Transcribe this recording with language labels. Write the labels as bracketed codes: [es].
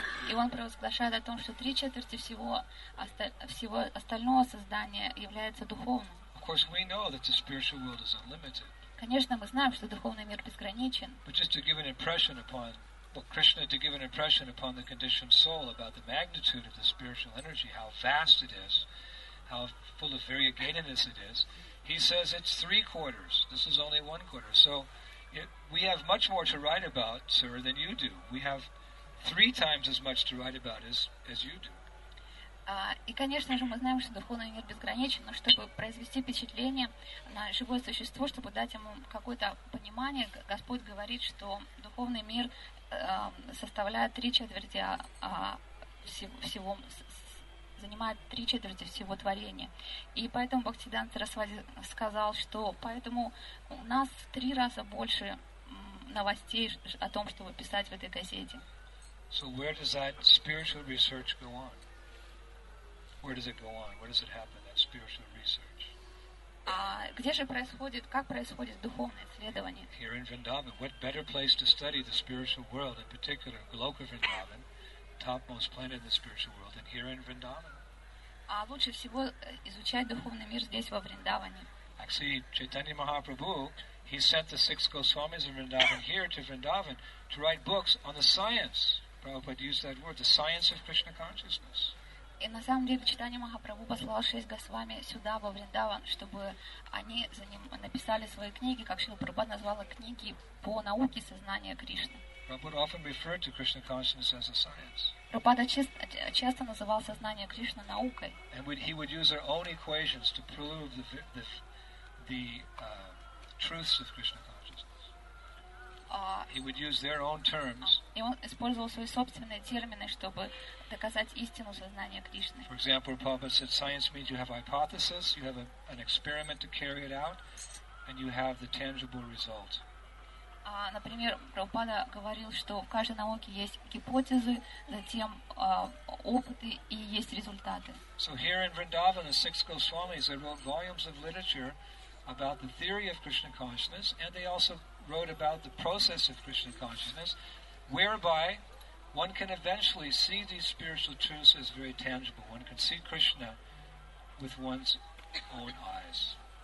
[ru] И он провозглашает о том, что 3/4 всего остального создания является духовным. [en] Of course, we know that the spiritual world is unlimited. [ru] Конечно, мы знаем, что духовный мир безграничен. [en] But just to give an impression upon, well, Krishna to give an impression upon the conditioned soul about the magnitude of the spiritual energy, how vast it is, how full of variegatedness it is, he says it's 3/4. This is only 1/4. So, we have much more to write about, sir, than you do. We have 3 times as much to write about as you do. [ru] И, конечно же, мы знаем, что духовный мир безграничен, но чтобы произвести впечатление на живое существо, чтобы дать ему какое-то понимание, Господь говорит, что духовный мир составляет 3/4 всего, занимает 3/4 всего творения. И поэтому Бхактисиддханта Сарасвати сказал, что поэтому у нас в 3 раза больше новостей о том, чтобы писать в этой газете. [en] So where does that spiritual research go on? Where does it go on? Where does it happen? That spiritual research. [ru] Где же происходит? Как происходит духовное исследование? [en] Here in Vrindavan. What better place to study the spiritual world, in particular, Goloka Vrindavan, topmost planet in the spiritual world, than here in Vrindavan? [ru] Лучше всего изучать духовный мир здесь во Вриндаване. [en] Actually, Chaitanya Mahaprabhu, he sent the 6 Goswamis of Vrindavan here to Vrindavan to write books on the science. Prabhupada used that word, the science of Krishna consciousness. [ru] И на самом деле Чайтанья Махапрабху послал 6 Госвами сюда, во Вриндаван, чтобы они за ним написали свои книги, как Шрила Прабхупада назвала книги по науке сознания Кришны. Прабхупада часто называл сознание Кришны наукой. [en] And he would use their own equations to prove the truths of Krishna consciousness. He would use their own terms. [ru] И он использовал свои собственные термины, чтобы доказать истину сознания Кришны. [en] For example, Prabhupada said, science means you have hypothesis, you have an experiment to carry it out, and you have the tangible result. [ru] Например, Прабхупада говорил, что в каждой науке есть гипотезы, затем опыты и есть результаты. [en] So here in Vrindavan, the 6 Goswamis, they wrote volumes of literature about the theory of Krishna consciousness, and they also wrote about the process of Krishna consciousness, whereby one can eventually see these spiritual truths as very tangible. One can see Krishna with one's own eyes.